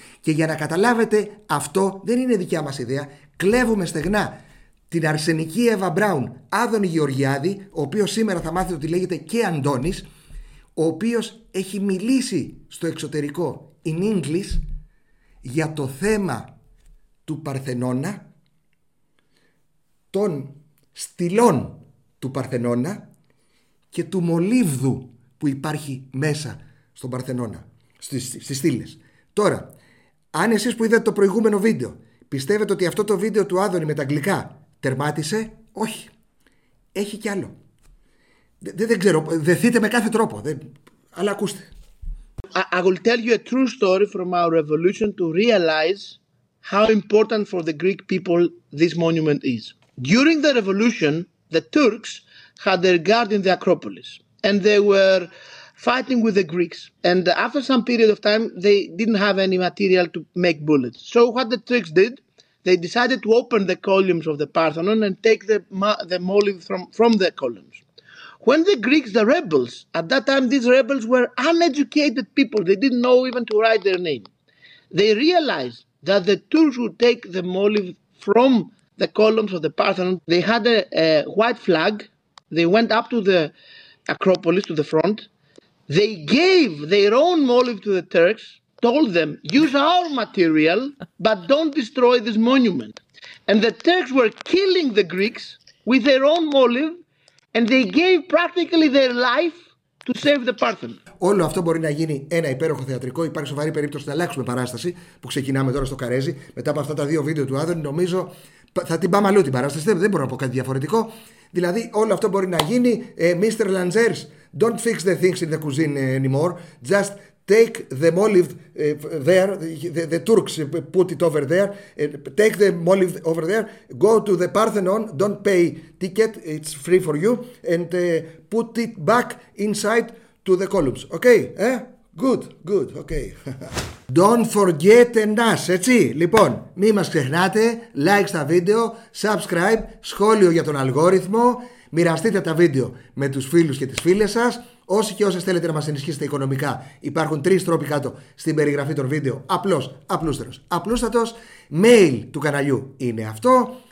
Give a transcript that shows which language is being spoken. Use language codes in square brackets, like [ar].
[el] Και για να καταλάβετε, αυτό δεν είναι δικιά μας ιδέα. Κλέβουμε στεγνά την αρσενική Εύα Μπράουν, Άδωνη Γεωργιάδη, ο οποίος σήμερα θα μάθει ότι λέγεται και Αντώνης, ο οποίος έχει μιλήσει στο εξωτερικό [en] in English [el] για το θέμα του Παρθενώνα, των στυλών του Παρθενώνα και του μολύβδου που υπάρχει μέσα στον Παρθενώνα, στις στήλες. Τώρα, αν εσείς που είδατε το προηγούμενο βίντεο πιστεύετε ότι αυτό το βίντεο του Άδωνη με τα αγγλικά τερμάτισε, όχι. Έχει κι άλλο. Δεν ξέρω, δεθείτε με κάθε τρόπο. Αλλά ακούστε. [en] I will tell you a true story from our revolution to realize how important for the Greek people this monument is. During the revolution, the Turks had their guard in the Acropolis and they were fighting with the Greeks. And after some period of time, they didn't have any material to make bullets. So what the Turks did, they decided to open the columns of the Parthenon and take the molyvdenum from the columns. When the Greeks, the rebels, at that time these rebels were uneducated people, they didn't know even to write their name. They realized that the Turks would take the molyvdenum from the columns of the Parthenon. They had a white flag, they went up to the Acropolis, to the front. They gave their own molyvdenum to the Turks, told them, use our material, but don't destroy this monument. And the Turks were killing the Greeks with their own molyvdenum, and they gave practically their life to save the Parthenon. [el] όλο αυτό μπορεί να γίνει ένα υπέροχο θεατρικό. Υπάρχει σοβαρή περίπτωση να αλλάξουμε παράσταση που ξεκινάμε τώρα στο Καρέζι. Μετά από αυτά τα δύο βίντεο του Άδωνη, νομίζω θα την πάμε αλλού την παράσταση. Δεν μπορώ να πω κάτι διαφορετικό. Δηλαδή, όλο αυτό μπορεί να γίνει. [en] Mr. Lanzers, don't fix the things in the cuisine anymore. Just take the olive there. The Turks put it over there. Take the olive over there. Go to the Parthenon. Don't pay ticket. It's free for you. And put it back inside to the columns. Okay, eh? Good, good, okay. Don't forget us, έτσι. [el] Λοιπόν, μη μας ξεχνάτε, like στα βίντεο, subscribe, σχόλιο για τον αλγόριθμο, μοιραστείτε τα βίντεο με τους φίλους και τις φίλες σας. Όσοι και όσες θέλετε να μας ενισχύσετε οικονομικά, υπάρχουν τρεις τρόποι κάτω στην περιγραφή των βίντεο. Απλώς, απλούστερος, απλούστατος. Mail του καναλιού είναι αυτό.